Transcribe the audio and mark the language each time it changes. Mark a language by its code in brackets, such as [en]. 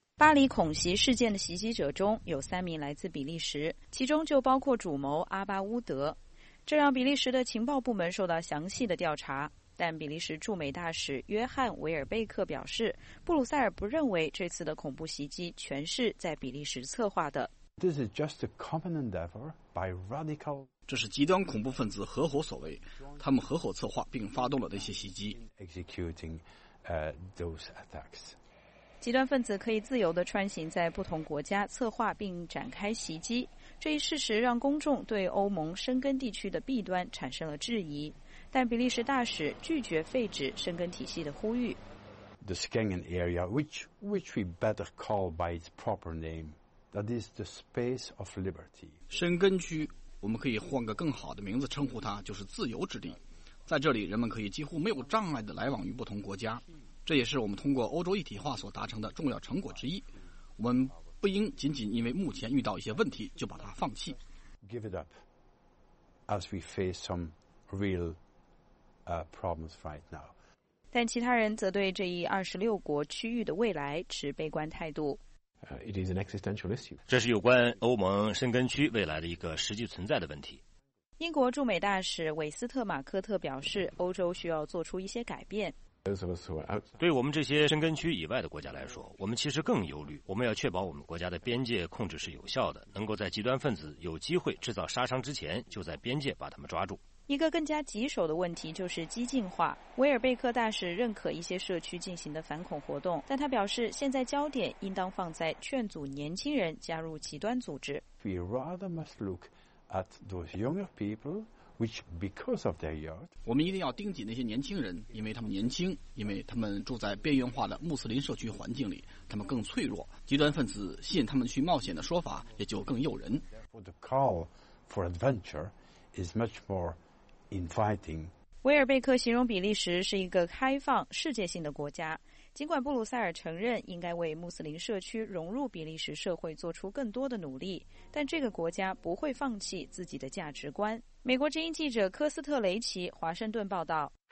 [zh] 巴黎恐袭事件的袭击者中有三名来自比利时，其中就包括主谋阿巴乌德，这让比利时的情报部门受到详细的调查。但比利时驻美大使约翰·维尔贝克表示，布鲁塞尔不认为这次的恐怖袭击全是在比利时策划的。 [en] This is just a common endeavor by radical. [zh] 这是极端恐怖分子合伙所为，他们合伙策划并发动了那些袭击。 [en] Executing those attacks. [zh] 极端分子可以自由地穿行在不同国家，策划并展开袭击。这一事实让公众对欧盟申根地区的弊端产生了质疑。但比利时大使拒绝废止申根体系的呼吁。 [en] The Schengen area, which we better call by its proper name. That is the space of liberty. [zh] 申根区，我们可以换个更好的名字称呼它，就是自由之地。在这里，人们可以几乎没有障碍地来往于不同国家，这也是我们通过欧洲一体化所达成的重要成果之一。我们不应仅仅因为目前遇到一些问题就把它放弃。 [en] Give it up as we face some real problems right now. [zh] 但其他人则对这一26国区域的未来持悲观态度。 [en] It is an existential issue. [zh] 这是有关欧盟申根区未来的一个实际存在的问题。英国驻美大使韦斯特马科特表示，欧洲需要做出一些改变。对我们这些申根区以外的国家来说，我们其实更忧虑。我们要确保我们国家的边界控制是有效的，能够在极端分子有机会制造杀伤之前，就在边界把他们抓住。一个更加棘手的问题就是激进化。维尔贝克大使认可一些社区进行的反恐活动，但他表示现在焦点应当放在劝阻年轻人加入极端组织。 [en] We rather must look at those younger people, which because of their youth. [zh] 我们一定要盯紧那些年轻人，因为他们年轻，因为他们住在边缘化的穆斯林社区环境里，他们更脆弱。极端分子吸引他们去冒险的说法也就更诱人。 [en] Therefore, the call for adventure is much more. [zh] 维尔贝克形容比利时是一个开放世界性的国家，尽管布鲁塞尔承认应该为穆斯林社区融入比利时社会做出更多的努力，但这个国家不会放弃自己的价值观。美国之音记者科斯特雷奇华盛顿报道。